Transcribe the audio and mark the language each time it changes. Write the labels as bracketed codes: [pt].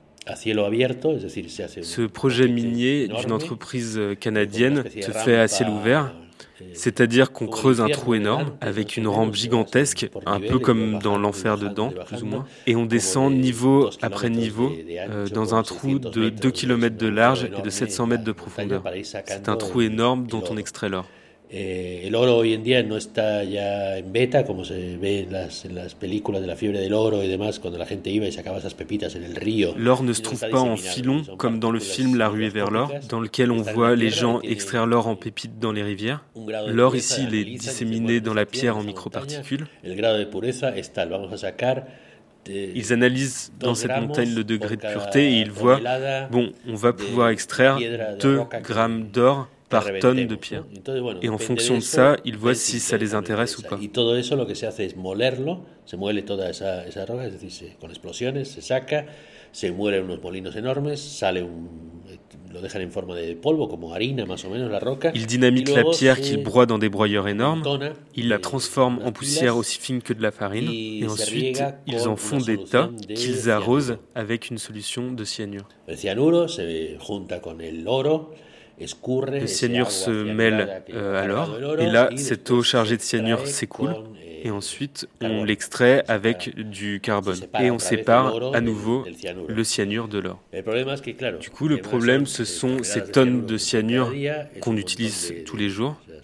[fr] Ce projet minier d'une entreprise canadienne se fait à ciel ouvert, c'est-à-dire qu'on creuse un trou énorme avec une rampe gigantesque, un peu comme dans l'enfer de Dante, plus ou moins, et on descend niveau après niveau dans un trou de 2 km de large et de 700 mètres de profondeur. C'est un trou énorme dont on extrait l'or. [es] El oro hoy en día no está ya en beta, como se ve en las películas de la fiebre del oro y demás, cuando la gente iba y sacaba esas pepitas en el río. [fr] L'or ne se trouve pas en filon, comme dans le film La ruée vers l'or, dans lequel on voit les gens extraire l'or en pépites dans les rivières. L'or ici, il est disséminé dans la pierre en microparticules. [es] El grado de pureza es tal, vamos a sacar. [fr] Ils analysent dans cette montagne le degré de pureté et ils voient, bon, on va pouvoir extraire 2 grammes d'or par tonne de pierre. Et en fonction de ça, ils voient si ça les intéresse ou pas. [es] Y todo eso lo que se hace es molerlo, se muele toda esa roca, es decir, con explosiones, se saca, se muelen unos molinos enormes, sale un... [fr] Il dynamite la pierre qu'il broie dans des broyeurs énormes, il la transforme en poussière aussi fine que de la farine, et ensuite ils en font des tas qu'ils arrosent avec une solution de cyanure. [es] Le cyanuro se junta con el oro. [fr] Le cyanure se mêle à l'or, et là, cette eau chargée de cyanure s'écoule, et ensuite, on l'extrait avec du carbone, et on sépare à nouveau le cyanure de l'or. Du coup, le problème, ce sont ces tonnes de cyanure qu'on utilise tous les jours.